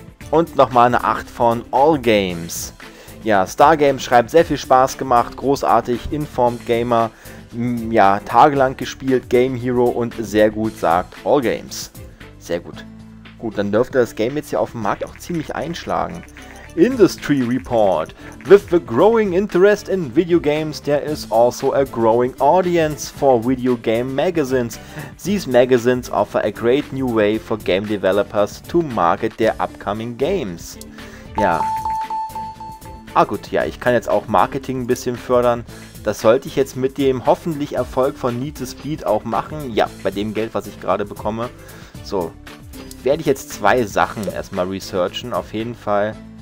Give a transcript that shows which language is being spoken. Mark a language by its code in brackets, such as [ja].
[de] Und nochmal eine 8 von All Games. Ja, Star Games schreibt, sehr viel Spaß gemacht. Großartig. Informed Gamer. Ja, tagelang gespielt, Game Hero und sehr gut, sagt All Games. Sehr gut. Gut, dann dürfte das Game jetzt hier auf dem Markt auch ziemlich einschlagen. [en] Industry Report. With the growing interest in video games, there is also a growing audience for video game magazines. These magazines offer a great new way for game developers to market their upcoming games. [de] Ja. Ah gut, ja, ich kann jetzt auch Marketing ein bisschen fördern. Das sollte ich jetzt mit dem hoffentlich Erfolg von Need to Speed auch machen. Ja, bei dem Geld, was ich gerade bekomme. So, werde ich jetzt zwei Sachen erstmal researchen, auf jeden Fall.